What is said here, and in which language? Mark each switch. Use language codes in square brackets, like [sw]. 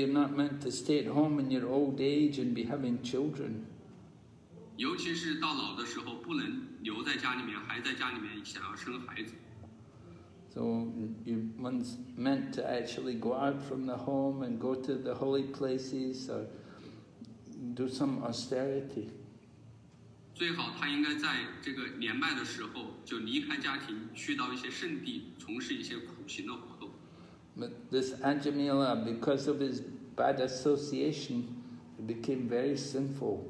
[en] you're not meant to stay at home in your old age and be having children. [zh] 尤其是到老的时候，不能留在家里面，还在家里面想要生孩子。 [en] So one's meant to actually go out from the home and go to the holy places or do some austerity. [zh] 最好他应该在这个年迈的时候就离开家庭，去到一些圣地，从事一些苦行的活动。 [en] But this Ajamila, because of his bad association, he became very sinful.